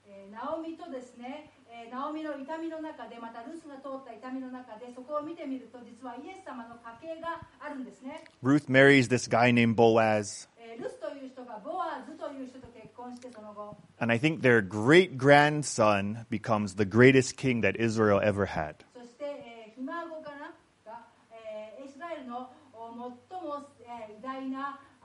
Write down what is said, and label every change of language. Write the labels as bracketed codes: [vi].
[ja] Naomi とですね、Naomi の痛みの中で、またルースが通った痛みの中で、そこを見てみると、実はイエス様の家系があるんですね。 [en] Ruth marries this guy named Boaz. [ja] ルースという人がボアズという人と結婚して、その後。 [en] And I think their great grandson becomes the greatest king that Israel ever had. [ja] そして、ひ孫かなが、イスラエルの最も、偉大な